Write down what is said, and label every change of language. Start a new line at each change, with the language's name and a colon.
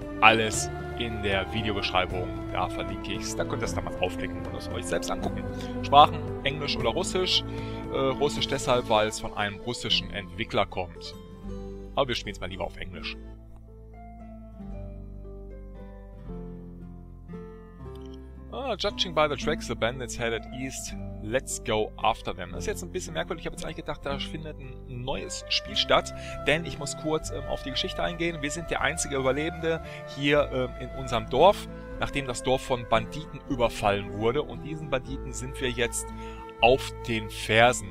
German: Alles in der Videobeschreibung, da verlinke ich es. Da könnt ihr es dann mal aufklicken und es euch selbst angucken. Sprachen, Englisch oder Russisch. Russisch deshalb, weil es von einem russischen Entwickler kommt. Aber wir spielen es mal lieber auf Englisch.
English: Judging by the tracks, the bandits headed east. Let's go after them.
German: Das ist jetzt ein bisschen merkwürdig. Ich habe jetzt eigentlich gedacht, da findet ein neues Spiel statt. Denn ich muss kurz auf die Geschichte eingehen. Wir sind der einzige Überlebende hier in unserem Dorf, nachdem das Dorf von Banditen überfallen wurde. Und diesen Banditen sind wir jetzt auf den Fersen.